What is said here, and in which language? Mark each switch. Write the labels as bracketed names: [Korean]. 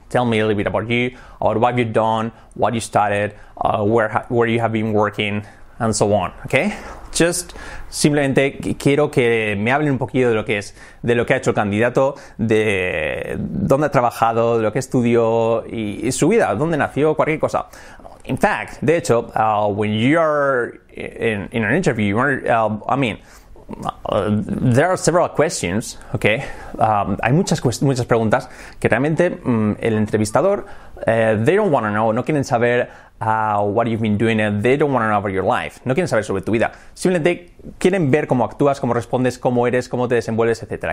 [English] Tell me a little bit about you, about what you've done, what you started, where you have been working, and so on, okay? Just [Spanish] simplemente quiero que me hablen un poquito de lo que es, de lo que ha hecho el candidato, de dónde ha trabajado, de lo que estudió, y su vida, dónde nació, cualquier cosa. [English] In fact, [Spanish] de hecho, [English] when you're in an interview, there are several questions, okay? [Spanish] Hay muchas preguntas que realmente el entrevistador, [English] they don't want to know, [Spanish] no quieren saber [English] what you've been doing, they don't want to know about your life, [Spanish] no quieren saber sobre tu vida, simplemente quieren ver cómo actúas, cómo respondes, cómo eres, cómo te desenvuelves, etc.